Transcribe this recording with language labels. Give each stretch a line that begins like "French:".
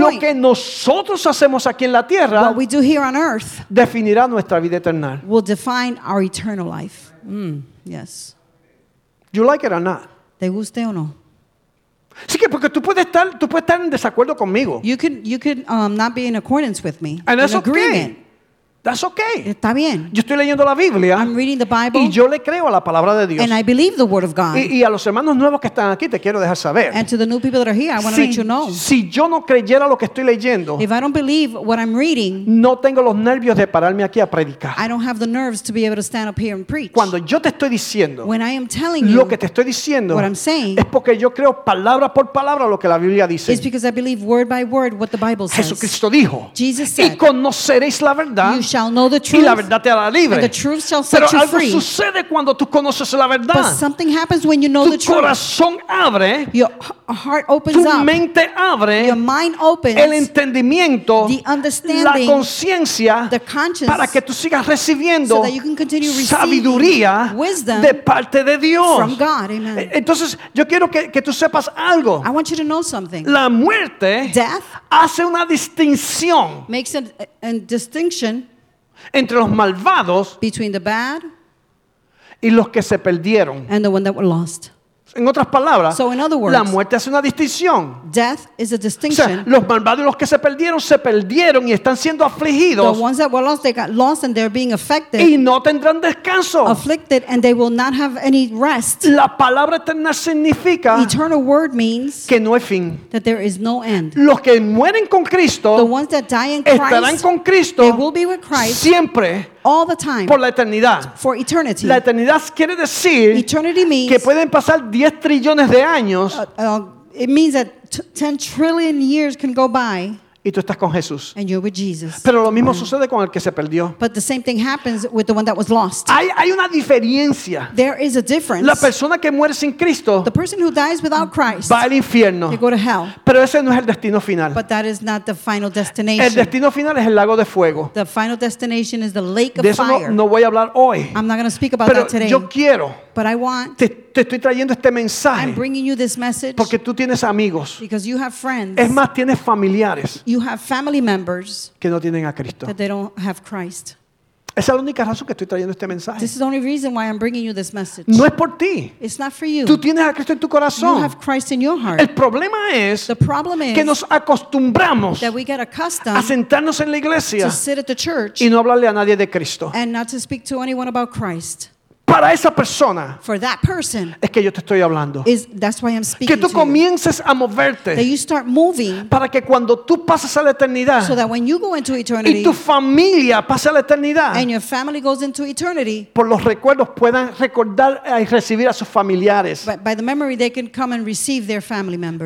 Spanish: Lo que nosotros hacemos aquí en la tierra.
English: What we do here on earth. Definirá nuestra vida eterna. Will define our eternal life. Yes. You like it or not?
Spanish: ¿Te guste o no? Sí, que porque tú puedes estar en desacuerdo conmigo.
English: You could not be in accordance with me. And that's agreement. Okay. That's okay.
Spanish: Está bien. Yo estoy leyendo la Biblia.
English: I'm reading the Bible.
Spanish: Y yo le creo a la palabra de Dios.
English: And I believe the word of God.
Spanish: Y a los hermanos nuevos que están aquí te quiero dejar saber.
English: And to the new people that are here, I want to let you know.
Spanish: Si yo no creyera lo que estoy leyendo,
English: if I don't believe what I'm reading,
Spanish: no tengo los nervios de pararme aquí a predicar.
English: I don't have the nerves to be able to stand up here and preach.
Spanish: Cuando yo te estoy diciendo,
English: when I am telling
Spanish: lo que te estoy diciendo,
English: what I'm saying,
Spanish: es porque yo creo palabra por palabra lo que la Biblia dice.
English: It's because I believe word by word what the Bible says.
Spanish: Jesucristo dijo,
English: Jesus said,
Spanish: y conoceréis la verdad,
English: you shall know the truth,
Spanish: y la verdad te hará libre.
English: And the truth shall set you free. Pero
Spanish: algo sucede cuando tú conoces la verdad.
English: But something happens when you know
Spanish: tu
English: the truth.
Spanish: Tu corazón abre.
English: Your heart opens
Spanish: tu
English: up.
Spanish: Tu mente abre.
English: Your mind opens.
Spanish: El entendimiento.
English: The understanding.
Spanish: La conciencia.
English: The conscience.
Spanish: Para que tú sigas recibiendo,
English: so that you can continue receiving
Spanish: sabiduría,
English: wisdom
Spanish: de parte de Dios.
English: From God. Amen.
Spanish: Entonces, yo quiero que tú sepas algo.
English: I want you to know something.
Spanish: La muerte.
English: Death.
Spanish: Hace una distinción.
English: Makes a distinction.
Spanish: Entre los malvados,
English: between the bad,
Spanish: y los que se perdieron,
English: and the one that were lost.
Spanish: En otras palabras,
English: so in other words,
Spanish: la muerte hace una distinción.
English: Death is a distinction.
Spanish: O sea, los malvados y los que se perdieron y están siendo afligidos.
English: The ones that were lost, they got lost and they're being affected.
Spanish: Y no tendrán descanso.
English: Afflicted and they will not have any rest.
Spanish: La palabra eterna significa,
English: eternal word means,
Spanish: que no hay fin.
English: That there is no end.
Spanish: Los que mueren con Cristo,
English: the ones that die in
Spanish: Christ, estarán con Cristo,
English: they will be with Christ,
Spanish: siempre.
English: All the time.
Spanish: Por la eternidad.
English: For eternity.
Spanish: La eternidad quiere decir,
English: eternity means,
Spanish: que pueden pasar 10 trillones de años.
English: It means that 10 trillion years can go by.
Spanish: Y tú estás con Jesús.
English: And you're with Jesus.
Spanish: Pero lo mismo sucede con el que se perdió.
English: But the same thing happens with the one that was lost.
Spanish: Hay una diferencia.
English: There is a difference.
Spanish: La persona que muere sin Cristo,
English: the person who dies without Christ,
Spanish: va al infierno.
English: You go to hell.
Spanish: Pero ese no es el destino final.
English: But that is not the final destination.
Spanish: El destino final es el lago de fuego.
English: The final destination is the lake of
Spanish: fire. De eso no voy a hablar hoy.
English: I'm not going to speak about
Spanish: pero
English: that today.
Spanish: Yo quiero.
English: But I want.
Spanish: Te estoy trayendo este mensaje.
English: I'm bringing you this message.
Spanish: Porque tú tienes amigos.
English: Because you have friends.
Spanish: Es más, tienes familiares.
English: You have family members
Spanish: que no tienen a Cristo.
English: That they don't have Christ.
Spanish: Esa es la única razón que estoy trayendo este mensaje.
English: This is the only reason why I'm bringing you this message.
Spanish: No es por ti.
English: It's not for you.
Spanish: Tú tienes a Cristo en tu corazón.
English: You have Christ in your heart.
Spanish: El problema es que nos acostumbramos a sentarnos en la iglesia y no hablarle a nadie de Cristo.
English: And not to speak to anyone about Christ.
Spanish: Para esa persona
English: for that person,
Spanish: es que yo te estoy hablando.
English: Is, that's why I'm speaking
Spanish: que tú comiences a moverte
English: that you start moving,
Spanish: para que cuando tú pases a la eternidad
English: so that when you go into eternity,
Spanish: y tu familia pase a la eternidad
English: and your family goes into eternity,
Spanish: por los recuerdos puedan recordar y recibir a sus familiares.
English: By the memory, they can come and receive their family members.